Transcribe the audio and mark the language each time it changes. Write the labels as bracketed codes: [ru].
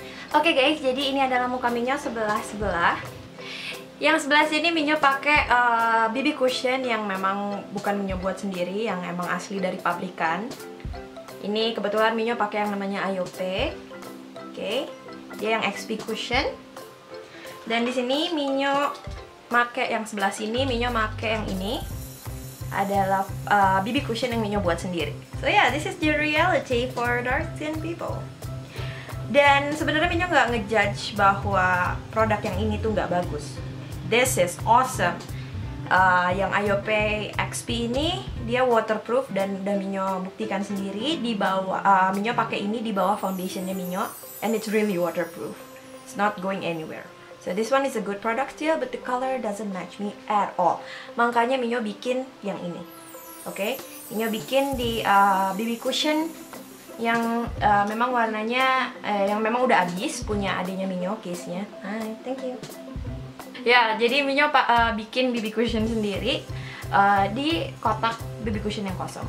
[id] Oke guys, jadi ini adalah muka Minyo sebelah-sebelah. Yang sebelah sini Minyo pakai BB cushion yang memang bukan Minyo buat sendiri, yang emang asli dari pabrikan. Ini kebetulan Minyo pakai yang namanya Ayope. Oke. Dia yang XP cushion. Dan di sini Minyo pakai yang sebelah sini, Minyo pakai yang ini. Adalah BB cushion yang Minyo buat sendiri. [en] So yeah, this is the reality for dark skin people. [id] Dan sebenarnya Minyo nggak ngejudge bahwa produk yang ini tuh nggak bagus. [en] This is awesome. [id] Yang Ayope XP ini dia waterproof dan udah Minyo buktikan sendiri di bawah Minyo pakai ini di bawah foundationnya Minyo [en] and it's really waterproof. It's not going anywhere. So this one is a good product still, but the color doesn't match me at all. [id] Makanya Minyo bikin yang ini. Oke, okay? Minyo bikin di BB cushion yang memang warnanya yang memang udah habis punya adiknya Minyo case-nya. [en] Hi, thank you. [id] Ya, jadi Minyo bikin BB cushion sendiri di kotak BB cushion yang kosong.